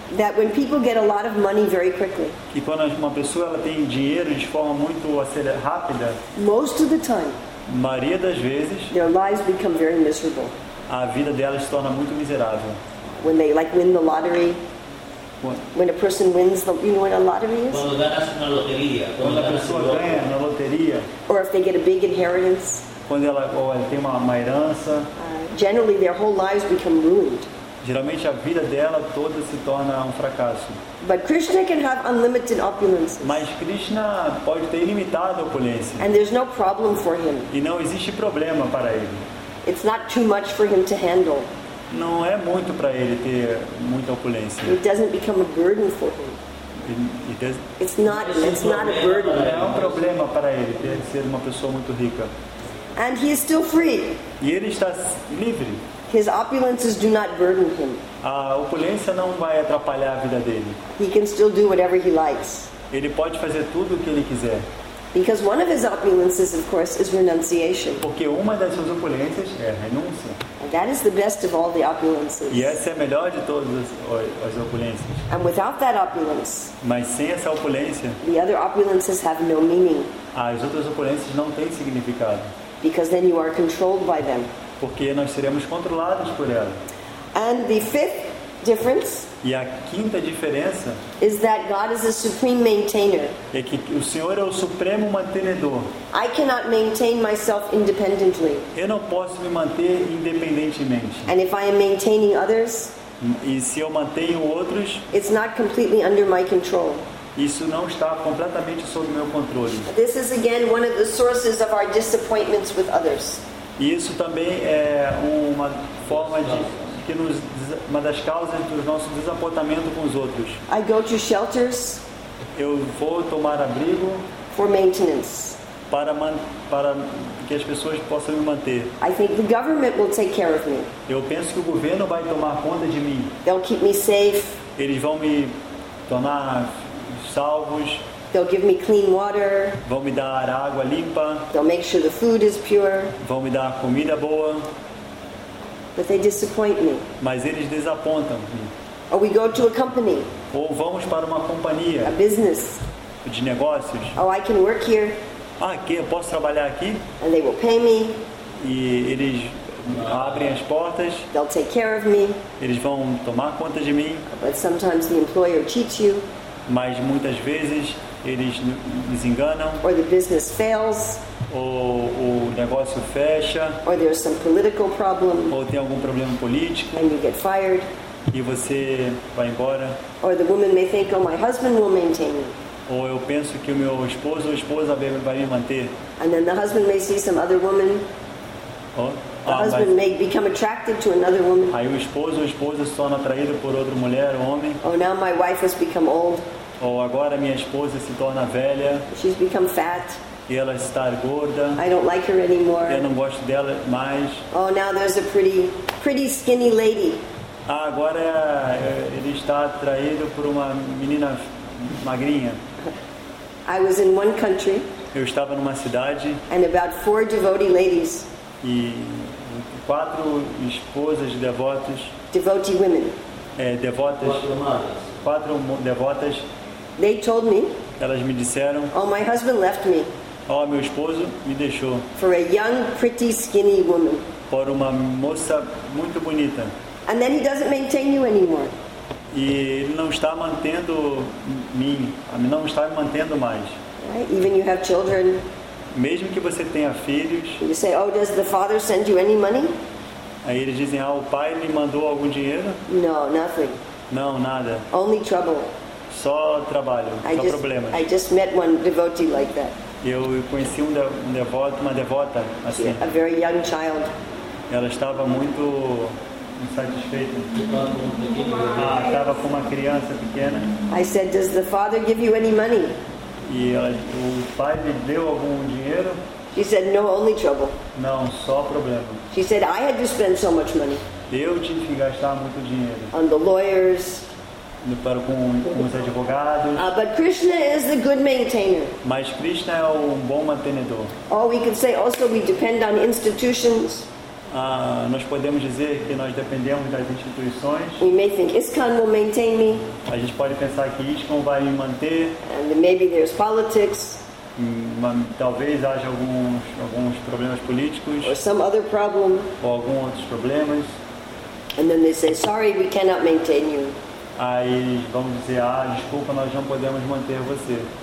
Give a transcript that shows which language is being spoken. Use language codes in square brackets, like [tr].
[en] That when people get a lot of money very quickly. [pt] Que quando uma pessoa ela tem dinheiro de forma muito rápida. [en] Most of the time. [pt] Maria das vezes. [en] Their lives become very miserable. [pt] A vida dela se torna muito miserável. [en] When they like win the lottery. When a person wins the, you know what a lottery is? [pt] Quando a pessoa ganha na loteria. [en] Or if they get a big inheritance. [pt] Quando ela, ou ela tem uma herança. [en] Generally, their whole lives become ruined. [pt] Geralmente a vida dela toda se torna um fracasso. [en] But Krishna can have unlimited opulences. [pt] Mas Krishna pode ter ilimitada opulência. [en] And there's no problem for him. [pt] E não existe problema para ele. [en] It's not too much for him to handle. [pt] Não é muito para ele ter muita opulência. [en] It doesn't become a burden for him. It's not a burden. [pt] É um problema para ele ter ser uma pessoa muito rica. [en] And he is still free. [pt] E ele está livre. [en] His opulences do not burden him. [pt] A opulência não vai atrapalhar a vida dele. [en] He can still do whatever he likes. [pt] Ele pode fazer tudo o que ele quiser. [en] Because one of his opulences, of course, is renunciation. [pt] Porque uma das suas opulências é a renúncia. [en] And that is the best of all the opulences. [pt] E essa é a melhor de todas as opulências. [en] And without that opulence, [pt] mas sem essa opulência, [en] the other opulences have no meaning. [pt] As outras opulências não têm significado. [en] Because then you are controlled by them. [pt] Porque nós seremos controlados por ela. [en] And the fifth difference. [pt] E a quinta diferença [en] is that God is a supreme maintainer. [pt] É que o Senhor é o supremo mantenedor. [en] I cannot maintain myself independently. [pt] Eu não posso me manter independentemente. [en] And if I am maintaining others, [pt] e se eu mantenho outros, [en] it's not completely under my control. [pt] Isso não está completamente sob meu controle. [en] This is again one of the sources of our disappointments with others. [pt] E isso também é uma forma de que nos, uma das causas do nosso desapontamento com os outros. [en] I go to shelters. [pt] Eu vou tomar abrigo [en] for maintenance. [pt] Para que as pessoas possam me manter. [en] I think the government will take care of me. [pt] Eu penso que o governo vai tomar conta de mim. [en] They'll keep me safe. [pt] Eles vão me tornar salvos. [en] They'll give me clean water. [pt] Vão me dar água limpa. [en] They'll make sure the food is pure. [pt] Vão me dar comida boa. [en] But they disappoint me. [pt] Mas eles desapontam-me. [en] Or we go to a company. [pt] Ou vamos para uma companhia. [en] A business. [pt] De negócios. [en] Oh, I can work here. [pt] Ah, aqui, eu posso trabalhar aqui. [en] And they will pay me. [pt] E eles abrem as portas. [en] They'll take care of me. [pt] Eles vão tomar conta de mim. [en] But sometimes the employer cheats you. [pt] Mas muitas vezes eles nos enganam. [en] Or the business fails. [pt] Ou o negócio fecha. [en] Or there's some political problem. [pt] Ou tem algum problema político. [en] And you get fired. [pt] E você vai embora. [en] Or the woman may think, oh, my husband will maintain me. [pt] Ou eu penso que o meu esposo ou esposa vai me manter. [en] And then the husband may see some other woman. The husband may become attracted to another woman. [pt] Aí o esposo ou a esposa se torna atraído por outra mulher ou homem. [en] Oh, now my wife has become old. [pt] Ou agora minha esposa se torna velha. [en] She's become fat. [pt] E ela está gorda. [en] I don't like her anymore. [pt] Eu não gosto dela mais. [en] Oh, now there's a pretty skinny lady. [pt] Ah, agora ele está atraído por uma menina magrinha. [en] I was in one country. [pt] Eu estava numa cidade. [en] And about four devotee ladies. [pt] E quatro esposas devotas. [en] Devotee women. [pt] Devotas. Quatro devotas. [en] They told me. [pt] Elas me disseram. [en] Oh, my husband left me. [pt] Oh, meu esposo me deixou. [en] For a young, pretty, skinny woman. [pt] Por uma moça muito bonita. [en] And then he doesn't maintain you anymore. [pt] E ele não está mantendo mim, não está me mantendo mais. [en] Right? Even you have children. [pt] Mesmo que você tenha filhos. [en] You say, oh, does the father send you any money? [pt] Aí eles dizem, ah, o pai me mandou algum dinheiro? [en] No, nothing. [pt] Não, nada. [en] Only trouble. [pt] Só trabalho, só problemas. [en] I just met one devotee like that. [pt] Eu conheci um devoto, uma devota assim. [en] A very young child. [pt] Ela estava muito insatisfeita. Ah, estava com uma criança pequena. [en] I said, does the father give you any money? [pt] E ela, o pai lhe deu algum dinheiro? [en] She said, no, only trouble. [pt] Não, só problema. [en] She said, I had to spend so much money. [pt] Eu tive que gastar muito dinheiro. [en] On the lawyers. [pt] Para com os advogados. [en] But Krishna is a good maintainer. [pt] Mas Krishna é um bom mantenedor. [en] Oh, we could say also we depend on institutions. [pt] Nós podemos dizer que nós dependemos das instituições. [en] We may think ISKCON will maintain me. [pt] A gente pode pensar que ISKCON vai me manter. [en] And maybe there's politics. [pt] Talvez haja alguns problemas políticos. [en] Or some other problem. [pt] Ou algum outros problemas. [en] And then they say, sorry, we cannot maintain you. [pt] Aí vamos dizer, ah, desculpa, nós não podemos manter você.